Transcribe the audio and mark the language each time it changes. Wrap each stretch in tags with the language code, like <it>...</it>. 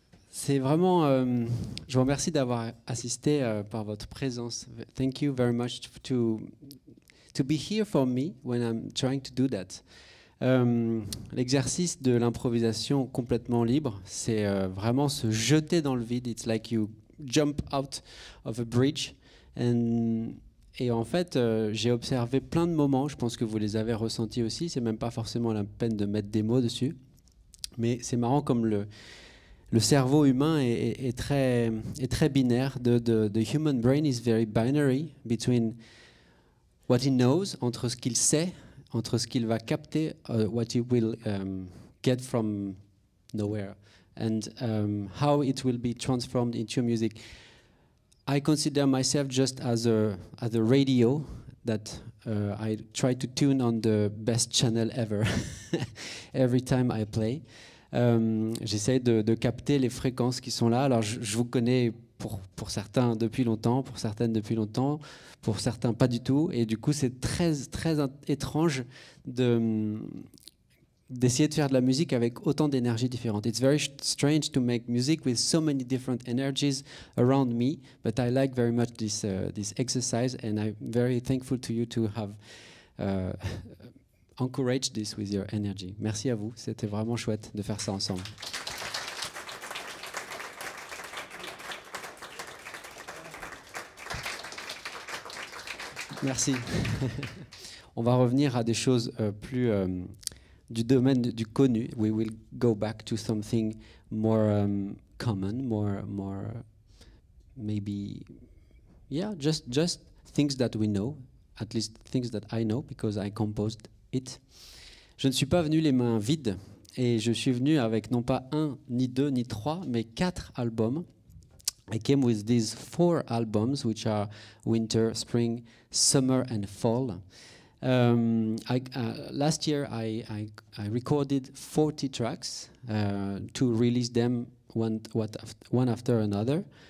<fr>C'est vraiment, je vous remercie d'avoir assisté par votre présence.</fr> <en>Thank you very much to be here for me when I'm trying to do that.</en> <fr>L'exercice de l'improvisation complètement libre, c'est vraiment se jeter dans le vide.</fr> <en>It's like you jump out of a bridge.</en> <fr>Et en fait, j'ai observé plein de moments, je pense que vous les avez ressentis aussi, c'est même pas forcément la peine de mettre des mots dessus, mais c'est marrant comme le cerveau humain est très binaire.</fr> <en>The human brain is very binary between what he knows,</en> <fr>entre ce qu'il sait, entre ce qu'il va capter,</fr> <en>what he will get from nowhere, and how it will be transformed into music. I consider myself just as a radio that I try to tune on the best channel ever every time I play.</en> <fr>J'essaie de capter les fréquences qui sont là. Alors je vous connais pour certains depuis longtemps, pour certaines depuis longtemps, pour certains pas du tout. Et du coup, c'est très très étrange d'essayer de faire de la musique avec autant d'énergies différentes.</fr> <en>It's very strange to make music with so many different energies around me, but I like very much this this exercise, and I'm very thankful to you to have encouraged this with your energy.</en> <fr>Merci à vous, c'était vraiment chouette de faire ça ensemble. Merci. On va revenir à des choses plus du domaine du connu.</fr> <en>We will go back to something more common, more maybe, yeah, just things that we know, at least things that I know because I composed it.</en> <fr>Je ne suis pas venu les mains vides, et je suis venu avec non pas un, ni deux, ni trois, mais quatre albums.</fr> <en>I came with these four albums, which are winter, spring, summer, and fall. Last year I recorded 40 tracks to release them one after another.</en>